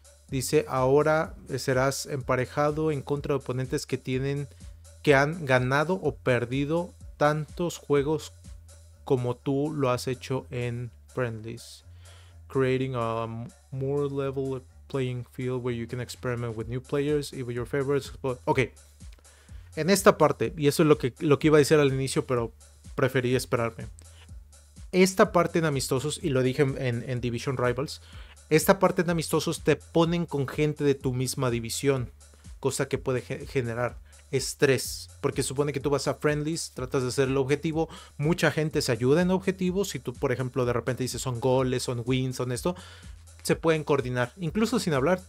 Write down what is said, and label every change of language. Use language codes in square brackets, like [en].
[es] Dice, ahora serás emparejado en contra de oponentes que han ganado o perdido tantos juegos como tú lo has hecho en friendlies. [en] Creating a more level playing field where you can experiment with new players and with your favorites. [es] Ok, en esta parte, y eso es lo que iba a decir al inicio, pero preferí esperarme. Esta parte en amistosos, y lo dije en Division Rivals, esta parte en amistosos te ponen con gente de tu misma división, cosa que puede generar estrés, porque supone que tú vas a friendlies, tratas de hacer el objetivo, mucha gente se ayuda en objetivos, si tú, por ejemplo, de repente dices son goles, son wins, son esto, se pueden coordinar, incluso sin hablar.